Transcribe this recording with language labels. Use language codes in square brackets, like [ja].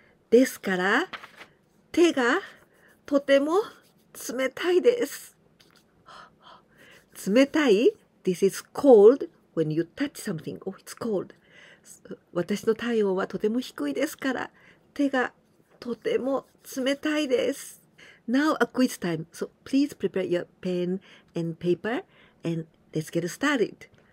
[ja] ですから手がとても冷たいです。 [en] 冷たい This is cold when you touch something. Oh, it's cold. [ja] 私の体温はとても低いですから手がとても冷たいです。 [en] Now a quiz time. So please prepare your pen and paper and let's get started.